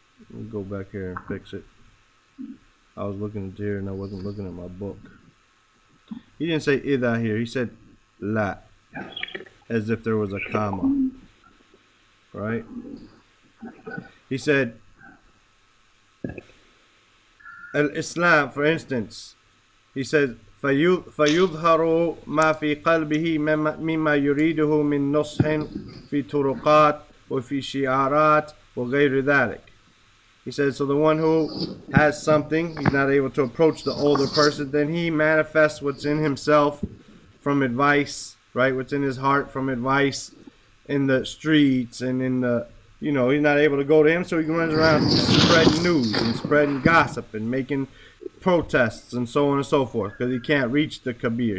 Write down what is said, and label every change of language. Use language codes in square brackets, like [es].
[en] Let me go back here and fix it. I was looking at here and I wasn't looking at my book. He didn't say either here. He said la, as if there was a comma. Right? He said al-Islam, for instance. He said [ar] فَيُظْهَرُ مَا فِي قَلْبِهِ مِمَّا يُرِيدُهُ مِنْ نُصْحٍ فِي تُرُقَاتٍ وَفِي شِعَارَاتٍ وَغَيْرِ ذَلِكَ. [en] He says, so the one who has something, he's not able to approach the older person, then he manifests what's in himself from advice, right? What's in his heart from advice in the streets and in the, you know, he's not able to go to him, so he runs around spreading news and spreading gossip and making protests and so on and so forth, because he can't reach the Kabir.